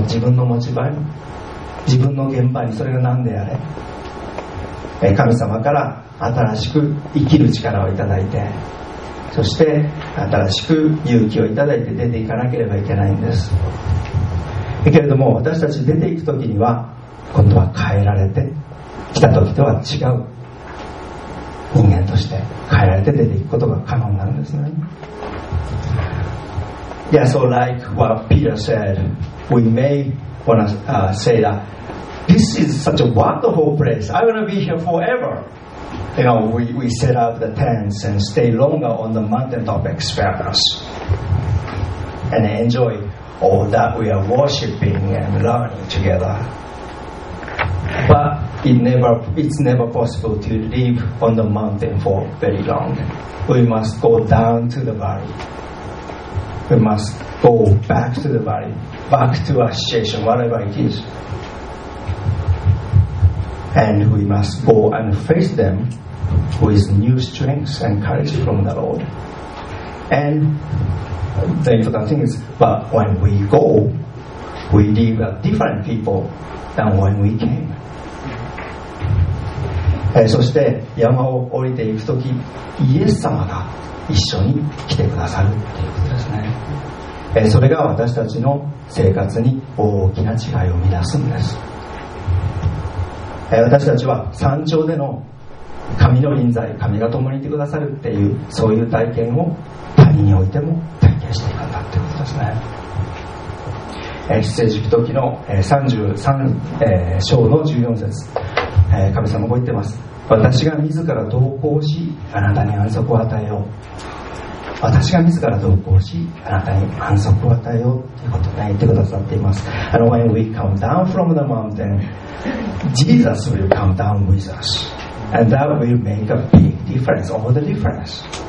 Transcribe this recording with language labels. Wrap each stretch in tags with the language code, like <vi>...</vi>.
<ja>自分の持ち場に、自分の現場に、それが何であれ、神様から新しく生きる力をいただいて、そして新しく勇気をいただいて出ていかなければいけないんです。けれども私たち出ていくときには、今度は変えられて、来たときとは違う人間として変えられて出ていくことが可能なんですね。</ja> <en>Yeah, so like what Peter said, we may wanna say that this is such a wonderful place, I'm gonna be here foreverYou know, we set up the tents and stay longer on the mountaintop experience and enjoy all that we are worshiping and learning together. But it's never possible to live on the mountain for very long. We must go down to the valley. We must go back to the valley, back to our situation, whatever it is. And we must go and face them with new strength and courage from the Lord. And the important thing is, but when we go, we leave a different people than when we came.</en> <ja>そして山を降りていくとき、イエス様が一緒に来てくださるということですね。それが私たちの生活に大きな違いを生み出すんです。私たちは山頂での神の臨在、神が共にいてくださるっていう、そういう体験を谷においても体験していくんだっていうことですね。出エジプト記の33章の14節、神様も言ってます。私が自ら同行し、あなたに安息を与えよう。私が自ら同行し、あなたに安息を与えようということを言ってくださっています。</ja> <en>And when we come down from the mountain, Jesus will come down with us, and that will make a big difference, all the difference.</en>